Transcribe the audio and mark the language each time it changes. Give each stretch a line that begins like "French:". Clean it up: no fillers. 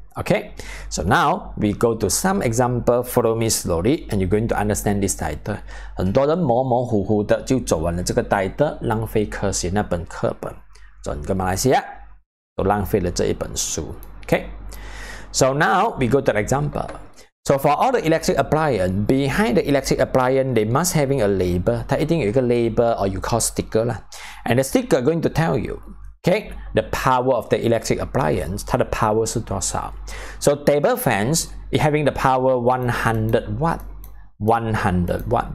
English: Okay, so now we go to some example, follow me slowly, and you're going to understand this title.
Chinese: 很多人模模糊糊的就走完了这个 title, 浪费科学那本课本。整个马来西亚都浪费了这一本书。
English: Okay, so now we go to the example. So for all the electric appliance, behind the electric appliance, they must having a label.
Chinese: 它一定有一个
English: label, or you call sticker. And the sticker going to tell you, Okay, the power of the electric appliance,
Chinese: 它的
English: power
Chinese: 是多少
English: ？So table fans having the power 100 watt, 100 watt.